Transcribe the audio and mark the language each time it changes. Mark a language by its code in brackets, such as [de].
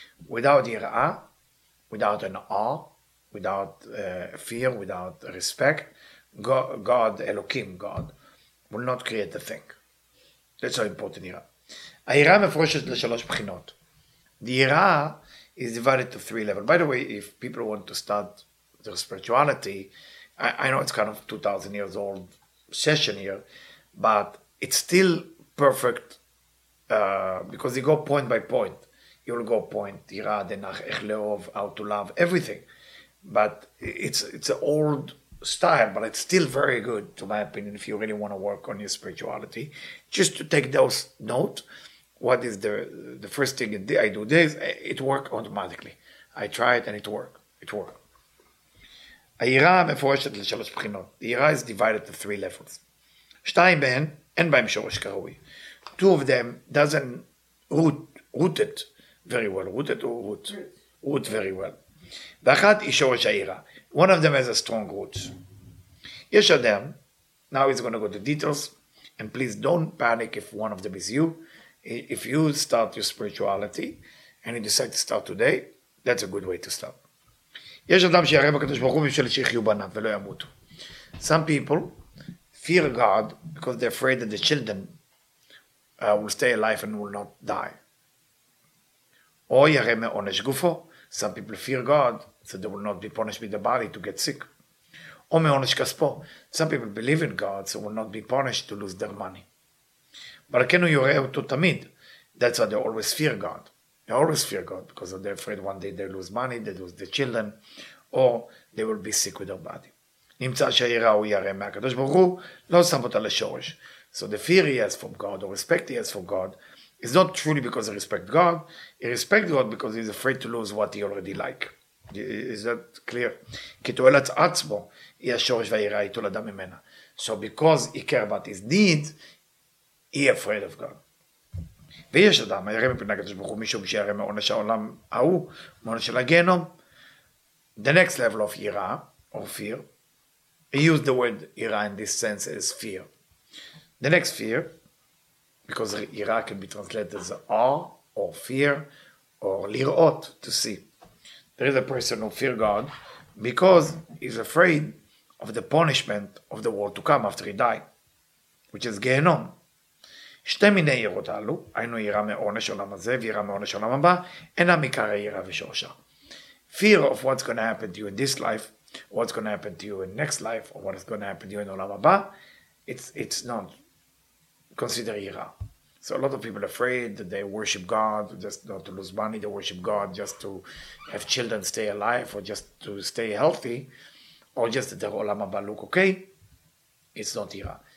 [en] Without יראה, without an awe, without fear, without respect, God, אלוקים, God, will not create a thing. That's how important יראה. [he] היראה מפורשת לשלוש בחינות. [en] The יראה is divided to three levels. By the way, if people want to start their spirituality, I know it's kind of 2,000 years old session here, but it's still perfect. Because you go point by point. You will go point, Yirah, Denach, Echleov, how to love, everything. But it's an old style, but it's still very good, to my opinion, if you really want to work on your spirituality, just to take those notes. What is the first thing I do this, it worked automatically. I try it and it worked. It worked. [he] היראה מפורשת לשלוש בחינות. [en] The היראה is divided to three levels. [he] שתיים בהן, אין בהם שורש קרוי. [en] Two of them doesn't rooted very well. Rooted or root? Root very well. [he] ואחת היא שורש היראה. [en] One of them has a strong root. [he] יש אדם, [en] now he's going to go to details, and please don't panic if one of them is you. If you start your spirituality and you decide to start today, that's a good way to start. [he] יש אדם שירא בקדוש ברוך הוא בשביל שיחיו בניו ולא ימותו. [en] Some people fear God because they're afraid that the children will stay alive and will not die. [he] או ירא מעונש גופו. [en] Some people fear God so they will not be punished with the body to get sick. [he] או מעונש כספו. [en] Some people believe in God so will not be punished to lose their money. But can you read to tamid? That's why they always fear God. They always fear God because they're afraid one day they lose money, they lose the children, or they will be sick with their body. [he] נמצא שהיראה הוא ירא מהקדוש ברוך הוא, לא שם אותה לשורש. [en] So the fear he has from God, or respect he has from God, is not truly because he respects God. He respects God because he's afraid to lose what he already like. Is that clear? [he] כי תועלת עצמו היא השורש והיראה היא תולדה ממנה. [en] So because he cares about his needs, he afraid of God. [he] ויש אדם, הירא מפני הקדוש ברוך הוא, משום שירא מעונש העולם ההוא, מעונש של הגיהנום. [en] The next level of ירא, or fear, he used the word ירא in this sense as fear. The next fear, because ירא can be translated as awe, or fear, or לראות, to see. There is a person who fear God, because he's afraid of the punishment of the world to come after he died, which is גיהנום. [he] שתי מיני יראות הללו, היינו יראה מעונש עולם הזה ויראה מעונש עולם הבא, אינה מקרה יראה ושורשה. [en] Fear of what's going to happen to you in this life, what's going to happen to you in next life, or what's going to happen to you in עולם הבא, it's not considered יראה. So a lot of people are afraid that they worship God, just not to lose money, they worship God just to have children stay alive, or just to stay healthy, or just that their עולם הבא look okay, it's not יראה.